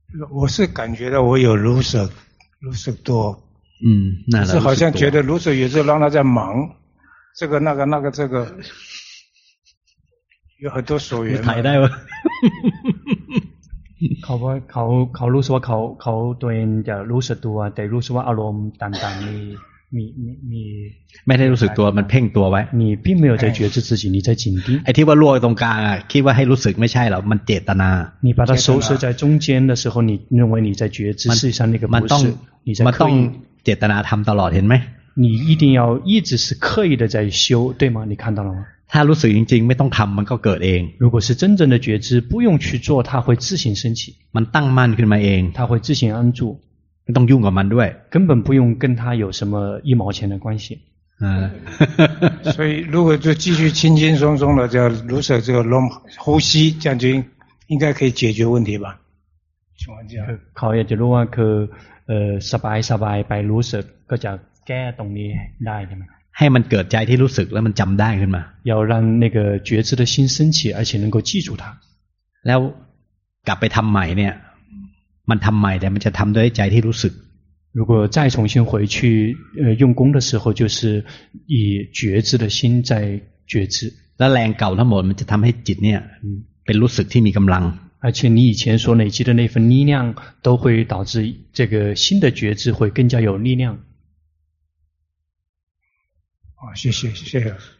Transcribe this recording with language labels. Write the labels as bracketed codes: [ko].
[zh] 我是感觉到我有如实多那是好像觉得如实也是让他在忙这个那个那个这个有很多所缘你太大了 [th] เขารู้สึกว่าเขาตัวเองจะรู้สึกตัวแต่รู้สึกว่าอารมณ์ต่างๆมี ไม่ได้รู้สึกตัวมันเพ่งตัวไว้ [zh] 你并没有在觉知自己你在紧盯 [th] ไอ้ที่ว่าล่วงตรงกลางอ่ะคิดว่าให้รู้สึกไม่ใช่หรอมันเจตนา [zh] 你把它收摄在中间的时候你认为你在觉知事实上那个不是 [th] มันต้องเจตนาทำตลอดเห็นไหม [zh] 你一定要一直是刻意的在修对吗你看到了吗 [th] ถ้ารู้สึกจริงๆไม่ต้องทำมันก็เกิดเอง [zh] 如果是真正的觉知不用去做它会自行升起 [th] มันตั้งมั่นขึ้นมาเอง [zh] 它会自行安住 [th] ไม่ต้องยุ่งกับมันด้วย [zh] 根本不用跟它有什么一毛钱的关系所以如果就继续轻轻松松的就如此这个弄呼吸这样就应该可以解决问题吧请问这样考验就如果可 [th] สบายสบายไปรู้สึกก็จะแก้ตรงนี้ได้ใช่ไหม ให้มันเกิดใจที่รู้สึกแล้วมันจำได้ขึ้นมา [zh] 要让那个觉知的心升起而且能够记住它 [th] แล้วกลับไปทำใหม่เนี่ยมันทำใหม่แต่มันจะทำด้วยใจที่รู้สึก [zh] 如果再重新回去用功的时候就是以觉知的心在觉知 [th] แล้วแรงเก่าทั้งหมดมันจะทำให้จิตเนี่ยเป็นรู้สึกที่มีกำลัง [zh] 而且你以前所累积的那份力量都会导致这个新的觉知会更加有力量好谢谢谢谢